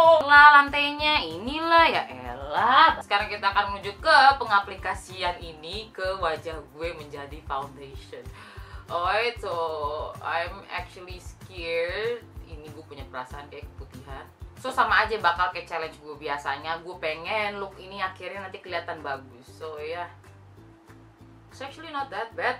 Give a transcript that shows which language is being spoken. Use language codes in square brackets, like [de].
[id] Lantainya inilah ya elah. Sekarang kita akan menuju ke pengaplikasian ini ke wajah gue menjadi foundation. [en] Alright, so I'm actually scared. [id] Ini gue punya perasaan kayak keputihan. So sama aja bakal kayak challenge gue biasanya. Gue pengen look ini akhirnya nanti kelihatan bagus. [en] So yeah, it's actually not that bad.